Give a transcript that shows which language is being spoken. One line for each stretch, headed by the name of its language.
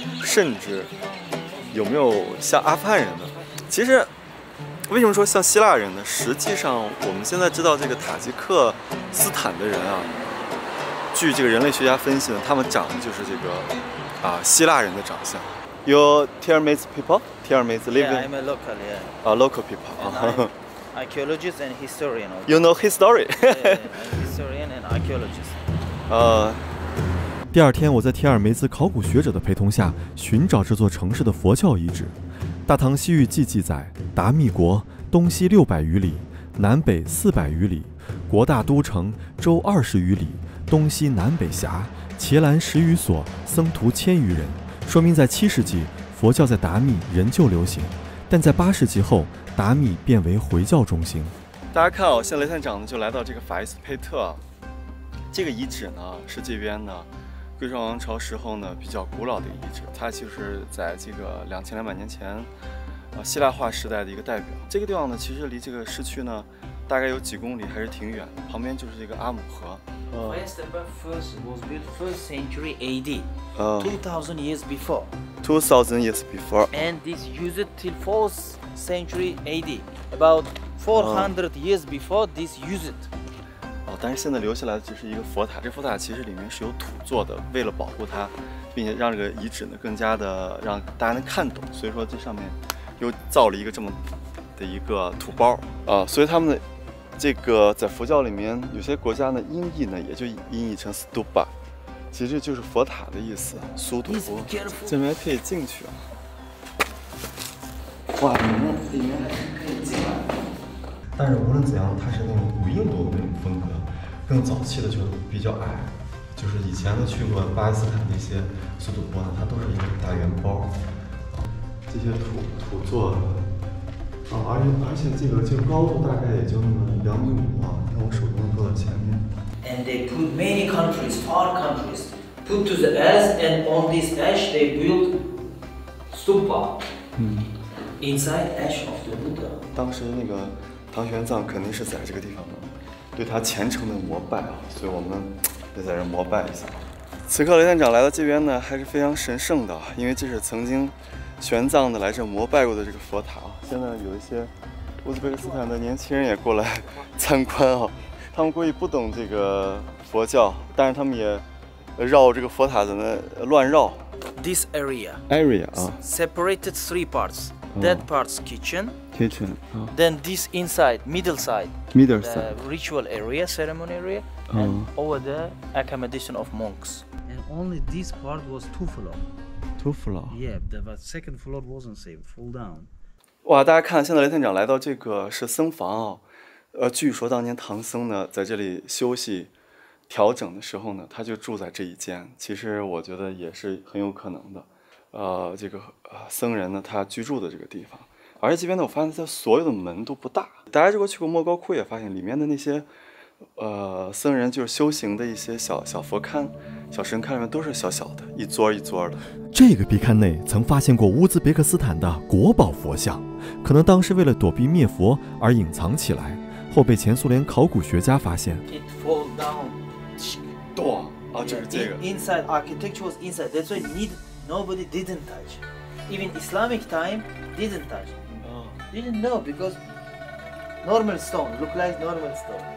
Chinese: 甚至有没有像阿富汗人的？其实为什么说像希腊人呢？实际上我们现在知道这个塔吉克斯坦的人啊，据这个人类学家分析呢，他们长的就是这个希腊人的长相。
English: 有 Tiermaids people? Tiermaids living? Yeah, I'm a local, yeah. Local people. And I'm archaeologist and historian. Also. You know history? Yeah, I'm historian and archaeologist.
Chinese: 第二天我在提尔梅兹考古学者的陪同下寻找这座城市的佛教遗址。大唐西域记记载，达密国东西600余里，南北400余里，国大都城周20余里，东西南北辖，伽蓝10余所，僧徒1000余人。说明在7世纪佛教在达密仍旧流行，但在8世纪后达密变为回教中心。大家看哦，现在雷探长就来到这个法伊斯佩特，这个遗址呢是这边呢贵霜王朝时候呢比较古老的遗址，它就是在这个2200年前，希腊化时代的一个代表。这个地方呢，其实离这个市区呢，大概有几公里，还是挺远。旁边就是这个阿姆河。
English: First was built first century A.D. 2000 years before. 2000 years before. And this used till 4th century A.D. About 400 years before this used.
Chinese: 但是现在留下来的只是一个佛塔，这佛塔其实里面是有土做的，为了保护它，并且让这个遗址呢更加的让大家能看懂，所以说这上面又造了一个这么的一个土包啊。所以他们的这个在佛教里面有些国家呢音译呢也就音译成 stupa， 其实就是佛塔的意思，苏土佛。这边可以进去啊，哇，里面还是可以进来。但是无论怎样，它是那种古印度的那种风格，更早期的就是比较矮，就是以前的去过巴基斯坦那些苏土坡呢，它都是一个大圆包，这些土做的，而且这个高度大概也就那么2米5啊，看我手中放在前面。
English: And they put many countries, far countries, put to the earth, and on this ash they built stupa. Inside ash of the Buddha.
Chinese: 当时那个。唐玄奘肯定是在这个地方的，对他虔诚的膜拜啊，所以我们得在这膜拜一下。此刻雷探长来到这边呢，还是非常神圣的，因为这是曾经玄奘的来这膜拜过的这个佛塔。现在有一些乌兹别克斯坦的年轻人也过来参观啊，他们估计不懂这个佛教，但是他们也绕这个佛塔在那乱绕。
English: This area. Area 啊。 Separated three parts. That part's kitchen. Kitchen.、Oh. Then this inside, middle side. Middle the side. Ritual area, ceremony area.、Oh. And over there, accommodation of monks. And only this part was two floor. Two floor. Yeah, the second floor wasn't safe, fall down.
Chinese: 哇，大家看，现在雷探长来到这个是僧房啊、哦，据说当年唐僧呢在这里休息调整的时候呢，他就住在这一间，其实我觉得也是很有可能的，这个僧人呢他居住的这个地方。而且这边呢我发现他所有的门都不大，大家如果去过莫高窟也发现里面的那些僧人就是修行的一些小佛龛、小神龛里面都是小小的，一桌一桌的。这个壁龛内曾发现过乌兹别克斯坦的国宝佛像，可能当时为了躲避灭佛而隐藏起来，后被前苏联考古学家发现。
English: It fall down.
Chinese: 咚！啊，就是这个。
English: Inside architecture was inside. That's why nobody didn't touch. Even Islamic time didn't touch. Didn't know because normal stone look like normal stone.